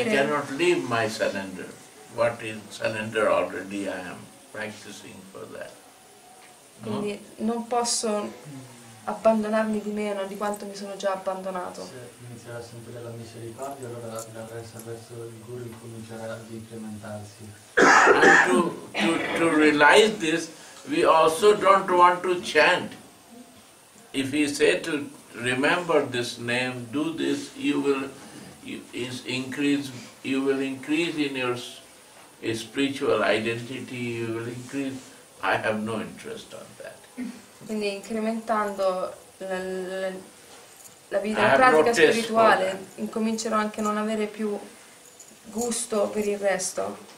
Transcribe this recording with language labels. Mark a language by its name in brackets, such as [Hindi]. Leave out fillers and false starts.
[English] I cannot leave my surrender. What is surrender already I am practicing for that. [Italian] Quindi non posso abbandonarmi di meno di quanto mi sono già abbandonato. Se inizierà a sentire la misericordia, allora la resa verso il guru incomincerà ad incrementarsi. [English] And to realize this, we also don't want to chant. If he say to remember this name, do this, you will increase in your spiritual identity, you will increase. I have no interest on that. [Italian] Quindi incrementando la vita, la pratica spirituale, incomincerò anche a non avere più gusto per il resto.